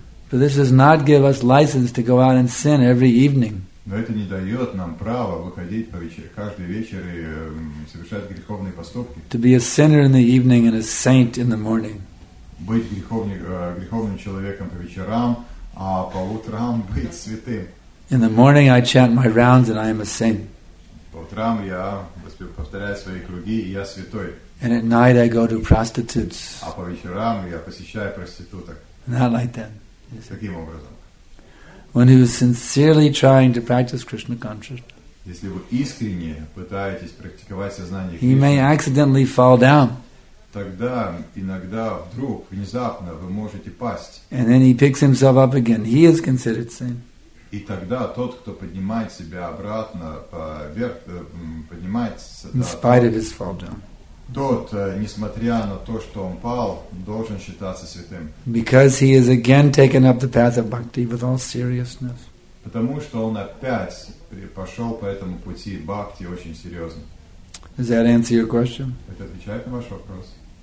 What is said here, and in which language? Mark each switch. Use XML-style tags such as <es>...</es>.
<en>But this does not give us license to go out and sin every evening.</en> <ru>Но это не дает нам права выходить каждый вечер и совершать греховные поступки.</ru> <en>To be a sinner in the evening and a saint in the morning.</en> <ru>Быть греховным человеком по вечерам, а по утрам быть святым.</ru> <en>In the morning I chant my rounds and I am a saint.</en> <ru>По утрам я повторяю свои круги и я святой.</ru> <en>And at night I go to prostitutes.</en> <ru>А по вечерам я посещаю проституток.</ru> <en>Not like that.</en> <ru>Таким образом.</ru> <en>One who is sincerely trying to practice Krishna consciousness.</en> <ru>Если вы искренне пытаетесь практиковать сознание</ru> <en>Кришны, he may accidentally fall down.</en> <ru>Тогда иногда вдруг внезапно вы можете пасть.</ru> <en>And then he picks himself up again. He is considered saint.</en> <ru>И тогда тот, кто поднимает себя обратно вверх, поднимается.</ru> <en>In spite of his fall down.</en> <ru>Тот, несмотря на то, что он пал, должен считаться святым.</ru> <en>Because he has again taken up the path of bhakti with all seriousness.</en> <ru>Потому что он опять пошел по этому пути бхакти очень серьезно.</ru> <en>Does that answer your question?</en> <ru>Это отвечает на ваш вопрос?</ru>